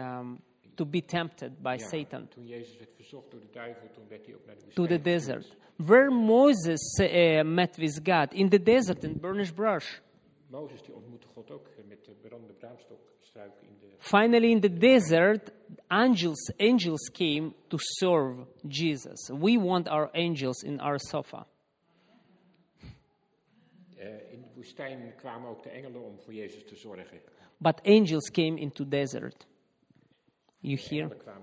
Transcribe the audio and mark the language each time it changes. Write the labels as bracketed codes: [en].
[en] Where Jesus was sent to be tempted by Satan. [nl] Toen Jezus werd verzocht door de duivel, toen werd hij ook naar de woestijn. [en] To the desert. Where Moses met with God in the desert in burnished brush. [nl] Moses die ontmoette God ook met de brandende braamstok. [en] Finally, in the desert, angels came to serve Jesus. We want our angels in our sofa. [nl] In de woestijn kwamen ook de engelen om voor Jezus te zorgen. [en] But angels came into desert. You hear?